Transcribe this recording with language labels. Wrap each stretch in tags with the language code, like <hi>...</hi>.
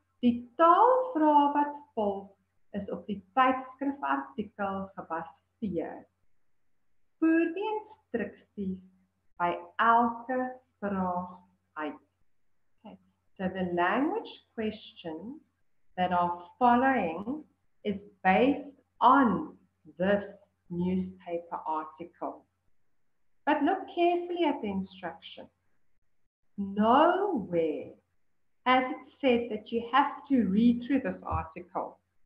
<af>Die taalvraag wat volg is op die tydskrifartikel gebaseer. Voer die instructies by elke vraag uit. Okay.</af> <en>So the language question that are following is based on this newspaper article. But look carefully at the instruction. Nowhere has it said that you have to read through this article.</en>